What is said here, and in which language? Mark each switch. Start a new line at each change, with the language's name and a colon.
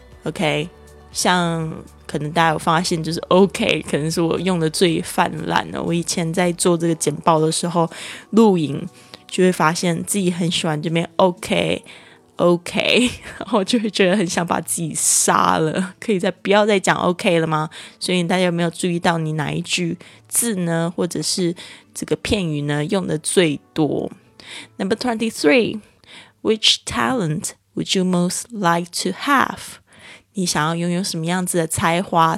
Chinese: OK 像可能大家有发现就是 OK 可能是我用的最泛滥的，我以前在做这个简报的时候录影就会发现自己很喜欢这边 OK OK， 然后就会觉得很想把自己杀了，可以再不要再讲 OK 了吗？所以大家有没有注意到你哪一句字呢或者是这个片语呢用的最多？
English: Number 23 Which talent would you most like to have?
Chinese: 你想要拥有什么样子的才华？